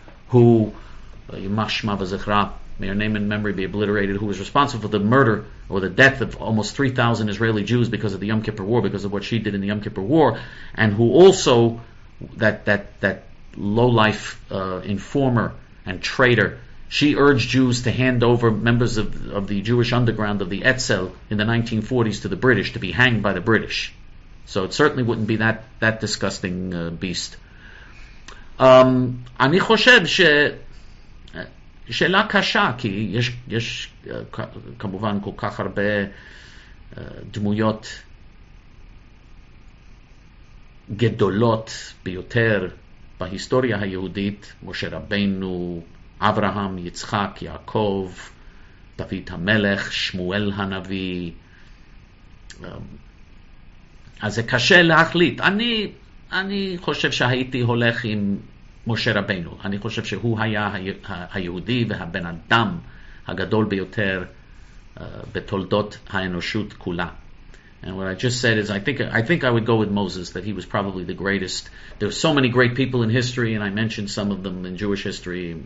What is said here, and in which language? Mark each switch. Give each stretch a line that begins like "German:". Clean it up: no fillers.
English: who, Yimashma v'zichra, may her name and memory be obliterated, who was responsible for the murder or the death of almost 3,000 Israeli Jews because of the Yom Kippur War, because of what she did in the Yom Kippur War, and who also, that low-life informer and traitor, she urged Jews to hand over members of the Jewish underground of the Etzel in the 1940s to the British, to be hanged by the British. So it certainly wouldn't be that disgusting beast.
Hebrew: Ani choshev she... שאלה קשה, כי יש כמובן כל כך הרבה דמויות גדולות ביותר בהיסטוריה היהודית, משה רבנו, אברהם, יצחק, יעקב, דוד המלך, שמואל הנביא. אז זה קשה להחליט. אני חושב שהייתי הולך עם משה רבנו. אני חושב שהוא היה היהודי והבן אדם הגדול ביותר בתולדות האנושות כולה.
English: And what I just said is I think I would go with Moses, that he was probably the greatest. There are so many great people in history, and I mentioned some of them in Jewish history.